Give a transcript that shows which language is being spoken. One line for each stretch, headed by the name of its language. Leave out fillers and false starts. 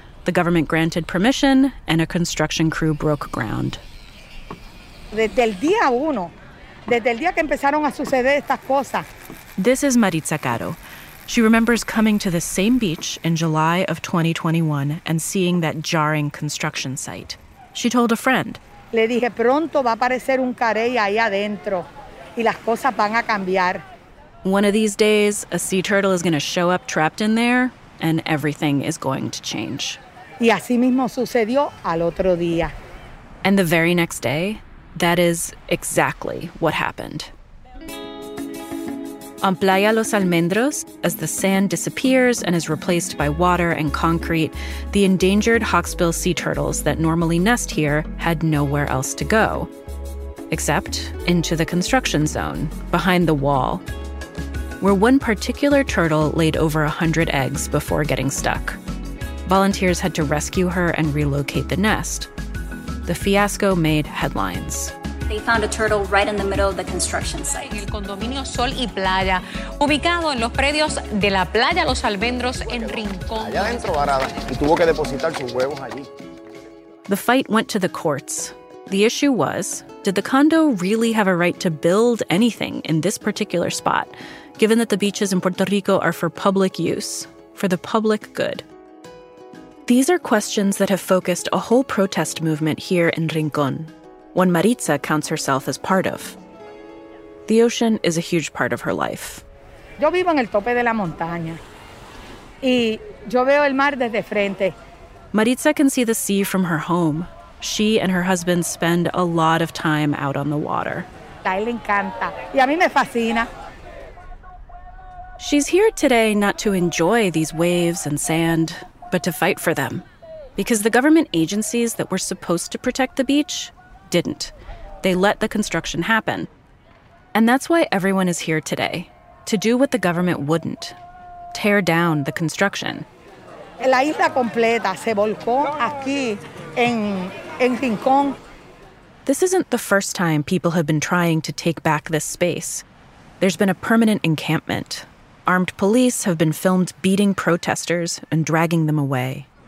English: The government granted permission, and a construction crew broke ground. This is Maritza Caro. She remembers coming to the same beach in July of 2021 and seeing that jarring construction site. She told a friend.
Spanish: Le dije, pronto va a aparecer un carey ahí adentro, y las cosas van a cambiar.
English: One of these days, a sea turtle is going to show up trapped in there, and everything is going to change.
Spanish: Y así mismo sucedió al otro día.
English: And the very next day, that is exactly what happened. On Playa Los Almendros, as the sand disappears and is replaced by water and concrete, the endangered hawksbill sea turtles that normally nest here had nowhere else to go, except into the construction zone, behind the wall, where one particular turtle laid over 100 eggs before getting stuck. Volunteers had to rescue her and relocate the nest. The fiasco made headlines. They found a turtle right in the middle of the construction site.
Spanish: El condominio Sol y Playa, ubicado en los predios de la Playa Los Almendros en Rincón. Allá adentro varada y tuvo que depositar sus huevos allí.
English: The fight went to the courts. The issue was, did the condo really have a right to build anything in this particular spot, given that the beaches in Puerto Rico are for public use, for the public good? These are questions that have focused a whole protest movement here in Rincón, one Maritza counts herself as part of. The ocean is a huge part of her life.
Spanish: Yo vivo en el tope de la montaña y yo veo el mar desde frente.
English: Maritza can see the sea from her home. She and her husband spend a lot of time out on the water.
Spanish: A él le encanta y a mí me fascina.
English: She's here today not to enjoy these waves and sand, but to fight for them, because the government agencies that were supposed to protect the beach didn't. They let the construction happen. And that's why everyone is here today, to do what the government wouldn't, tear down the construction.
Spanish: La isla completa se volcó aquí en Rincón.
English: This isn't the first time people have been trying to take back this space. There's been a permanent encampment. Armed police have been filmed beating protesters and dragging them away.